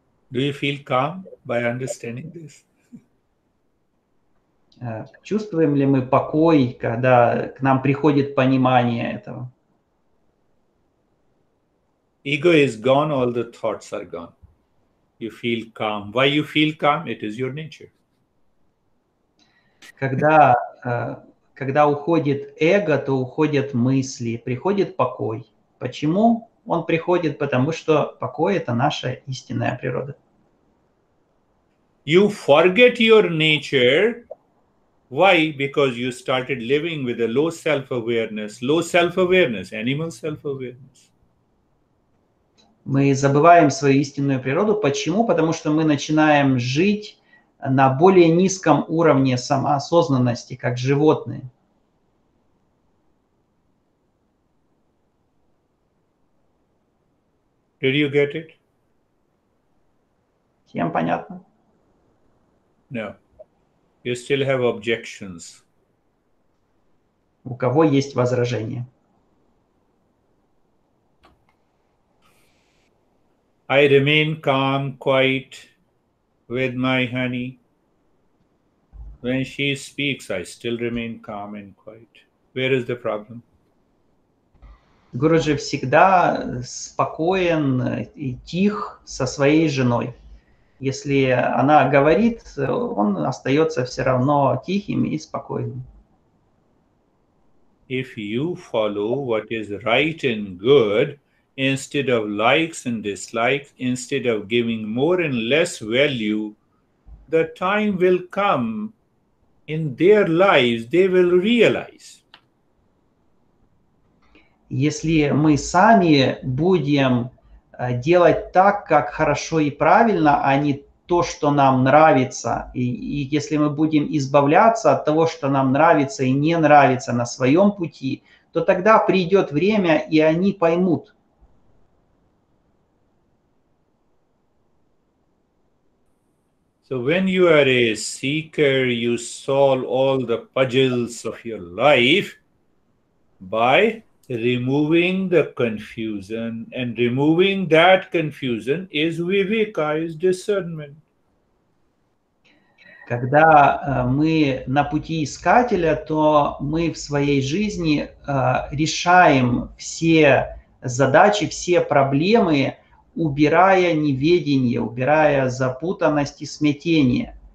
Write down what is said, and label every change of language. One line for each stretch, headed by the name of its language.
English: Do you feel calm by understanding this?
Russian: Чувствуем ли мы покой, когда к нам приходит понимание этого?
English: Ego is gone, all the thoughts are gone. You feel calm. Why you feel calm? It is your nature.
Russian: Когда уходит эго, то уходят мысли, приходит покой. Почему он приходит? Потому что покой – это наша истинная природа.
English: You forget your nature. Why? Because you started living with a low self-awareness. Low self-awareness, animal self-awareness.
Russian: Мы забываем свою истинную природу. Почему? Потому что мы начинаем жить на более низком уровне самоосознанности, как животные.
English: Did you get it?
Russian: Всем понятно?
English: No. You still have objections.
Russian: У кого есть возражения?
English: I remain calm, quiet with my honey. When she speaks, I still remain calm and quiet. Where is the problem?
Russian: Гуруджи всегда спокоен и тих со своей женой. Если она говорит, он остается все равно тихим и спокойным.
English: If you follow what is right and good, instead of likes and dislikes, instead of giving more and less value, the time will come in their lives, they will realize.
Russian: Если мы сами будем делать так, как хорошо и правильно, а не то, что нам нравится, и если мы будем избавляться от того, что нам нравится и не нравится на своем пути, то тогда придет время, и они поймут.
English: So when you are a seeker, you solve all the puzzles of your life by removing the confusion, and removing that confusion is viveka, is discernment.
Russian: Когда мы на пути искателя, то мы в своей жизни решаем все задачи, все проблемы, убирая неведение, убирая запутанность и смятение.